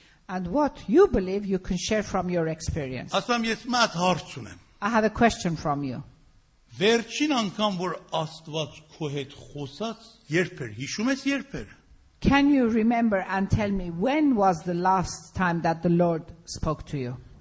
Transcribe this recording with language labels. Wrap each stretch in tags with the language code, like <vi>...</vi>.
<en>And what you believe, you can share from your experience. I have a question from you.</en> <hy>Վերջին անգամ որ Աստված քո հետ խոսաց, երբ էր, հիշում ես երբ էր?</hy> <en>Can you remember and tell me when was the last time that the Lord spoke to you?</en>